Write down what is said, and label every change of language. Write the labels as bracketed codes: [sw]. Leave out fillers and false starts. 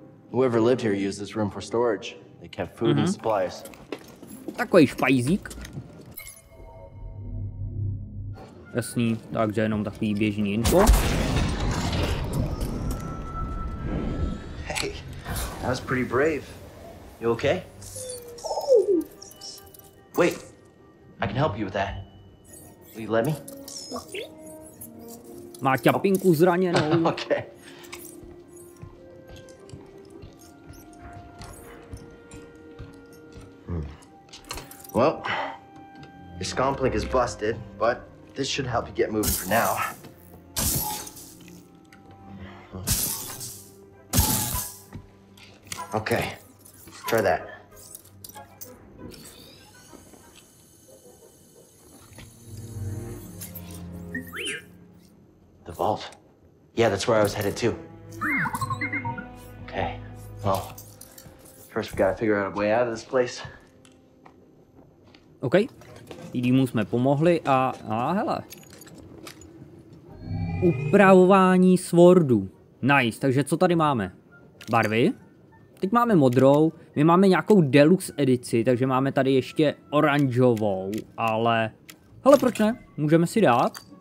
[en] Whoever lived here used this room for storage. They kept food and supplies. [cs] Takový špajzík. Jasný, takže jenom takový běžný info. [en] Hey, that was pretty brave. You okay? Wait, I can help you with that. Will you let me? [cs] Má ťapinku zraněnou. [en] Okay. Well, your scomplink is busted, but this should help you get moving for now. Okay, try that. The vault. Yeah, that's where I was headed too. Okay, well, first we gotta figure out a way out of this place. [cs] Okay, týmu jsme pomohli a hele. Upravování swordu. Nice, takže co tady máme? Barvy? Teď máme modrou, my máme nějakou deluxe edici, takže máme tady ještě oranžovou, ale... Hele, proč ne? Můžeme si dát.